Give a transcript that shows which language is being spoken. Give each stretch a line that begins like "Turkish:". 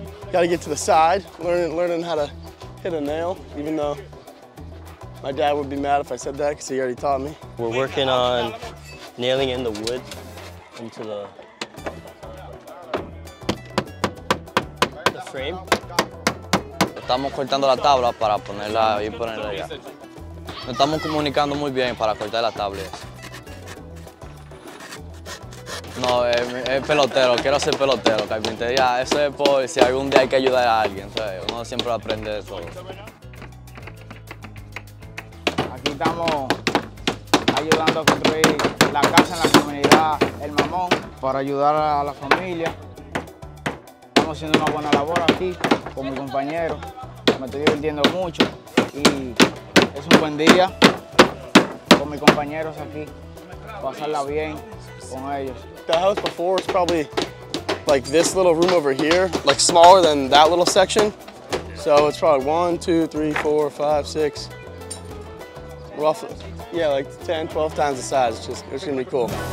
English: Got to get to the side, learning how to hit a nail, even though my dad would be mad if I said that because he already taught me. We're working on nailing in the wood into the frame.
Spanish: Estamos cortando la tabla para ponerla y ponerla allá. Nos estamos comunicando muy bien para cortar la tabla. No, es pelotero, quiero ser pelotero, carpintero. Ya, eso es por si algún día hay que ayudar a alguien. ¿Sabes? Uno siempre aprende de todo. Aquí estamos ayudando a construir la casa en la comunidad El Mamón para ayudar a la familia. Estamos haciendo una buena labor aquí con mi compañero. Me estoy divirtiendo mucho y es un buen día con mis compañeros aquí. Pasarla bien con ellos.
English: The house before was probably like this little room over here, like smaller than that little section. So it's probably 1, 2, 3, 4, 5, 6. Roughly, yeah, like 10, 12 times the size. It's gonna be cool.